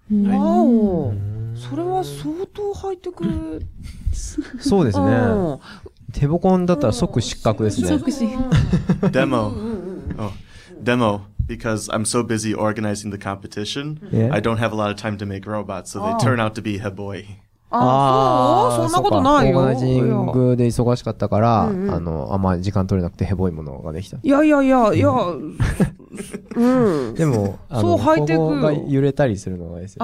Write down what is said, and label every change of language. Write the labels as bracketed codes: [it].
[ja] わお、それは相当ハイテク。そうですね。テボコンだったら即失格ですね。即失格。デモ。デモ。 [en] Because I'm so busy organizing the competition, I don't have a lot of time to make robots, so they turn out to be Heboy. [ja] ああ、そんなことないよ。オーガナイジングで忙しかったから、あの、あんまり時間取れなくてヘボいものができた。いやいやいや、いや、うん。でも、あの、ハイテクが揺れたりするのがいいですよ。